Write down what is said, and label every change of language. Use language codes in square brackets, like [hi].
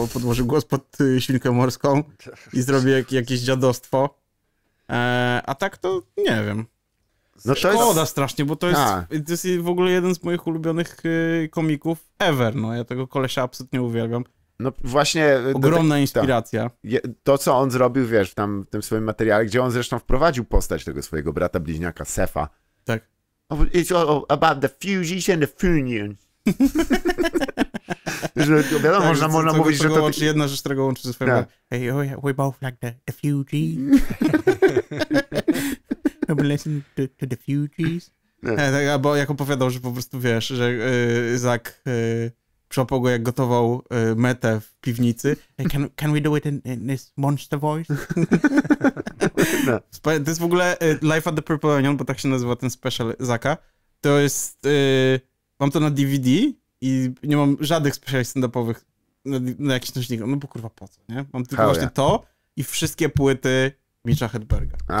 [pl] Podłożył głos pod Świnkę Morską i zrobił jakieś dziadostwo. A tak to nie wiem. No to szkoda jest... strasznie, bo to jest w ogóle jeden z moich ulubionych komików ever. No ja tego kolesia absolutnie uwielbiam. No właśnie... Ogromna inspiracja. To, co on zrobił, wiesz, tam w tym swoim materiale, gdzie on zresztą wprowadził postać tego swojego brata bliźniaka, Sefa. Tak. [en] It's all about the fusion and the funion. [pl] Wiadomo, tak, można, można mówić, że to... Łączy, jedna rzecz, którego łączy ze swoim... [en] Hey, we both like the fugies. I've been listening to the fugies. [pl] Tak, bo jak opowiadał, że po prostu, wiesz, że Zach... przyłapał go, jak gotował metę w piwnicy. [en] Can we do it in this monster voice? [pl] No. To jest w ogóle Life at the Purple Onion, bo tak się nazywa ten special Zaka. To jest... mam to na DVD i nie mam żadnych speciali stand-upowych na jakichś nośnikach. No bo kurwa, po co, nie? Mam tylko właśnie to i wszystkie płyty Mitcha Hedberga.